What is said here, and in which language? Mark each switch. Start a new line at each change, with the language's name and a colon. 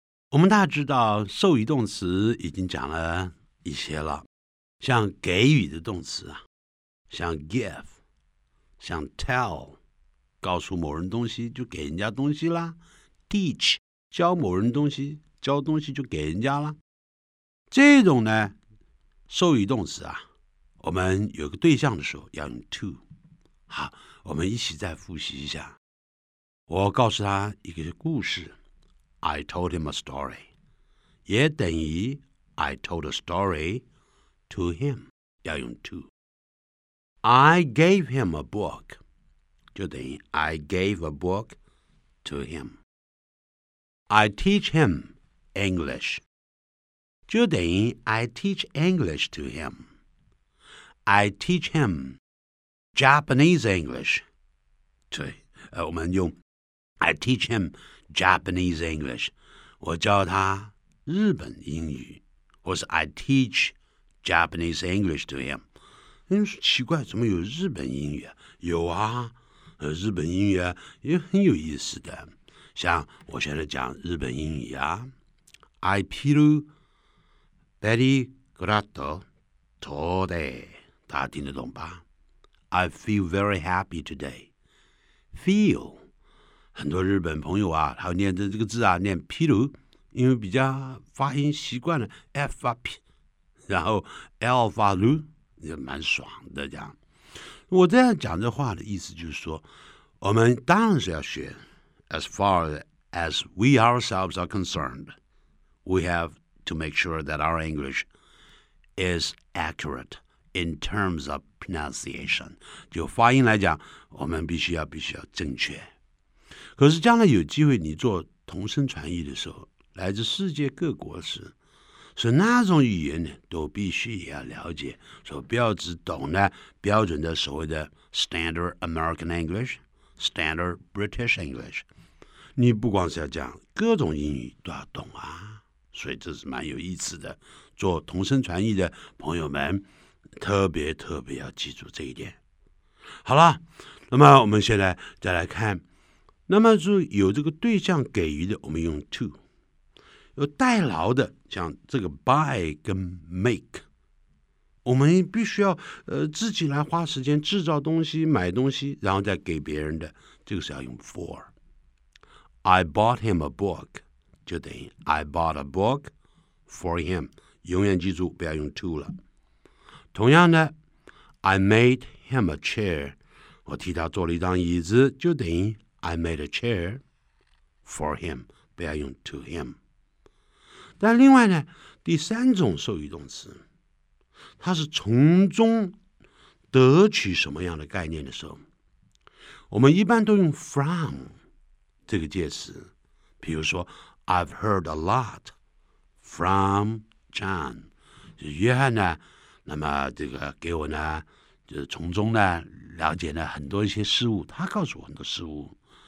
Chinese: 我们大家知道授予动词已经讲了一些了，像给予的动词啊，像 give， 像 tell， 告诉某人东西就给人家东西啦， teach， 教某人东西，教东西就给人家啦。这种呢授予动词啊，我们有个对象的时候要用 to。好，我们一起再复习一下。
English: 我告诉他一个故事， I told him a story，也等于 I told a story to him，要用 to。 I gave him a book，就等于 I gave a book to him。 I teach him English，就等于 I teach English to him。 I teach him Japanese English，对，我们用 I teach him Japanese English，我教他日本英语，或是 I teach Japanese English to him。
Chinese: 奇怪，怎么有日本英语？有啊，日本英语也很有意思的，像我现在讲日本英语啊， I piru very grato today，大家听得懂吧？
English: I feel very happy today. Feel.
Chinese: 很多日本朋友啊，他念的这个字啊，念 piru， 因为比较发音习惯了 F 发 P， 然后 L 发 lu， 也蛮爽的这样。我这样讲这话的意思就是说，我们当然是要学。
English: As far as we ourselves are concerned, we have to make sure that our English is accurate.
Chinese: In terms of pronunciation，就发音来讲，我们必须要正确。可是将来有机会你做同声传译的时候，来自世界各国时，所以那种语言呢，都必须也要了解。所以不要只懂呢标准的所谓的 standard American English， standard British English，你不光是要讲各种英语都要懂啊。所以这是蛮有意思的，做同声传译的朋友们特别特别要记住这一点。好了，那么我们现在再来看，那么是有这个对象给予的，我们用 to， 有代劳的，像这个 buy 跟 make， 我们必须要自己来花时间制造东西，买东西，然后再给别人的，这个是要用 for。
English: I bought him a book，就等于 I bought a book for him，永远记住不要用 to 了。同样的 I made him a chair，我替他做了一张椅子，就等于 I made a chair for him，不要用 to him。
Chinese: 但另外呢，第三种授予动词，它是从中得取什么样的概念的时候，我们一般都用 from 这个介词。比如说 I've heard a lot from John，约翰呢，那么这个给我呢，就是从中呢了解了很多一些事物，他告诉我很多事物。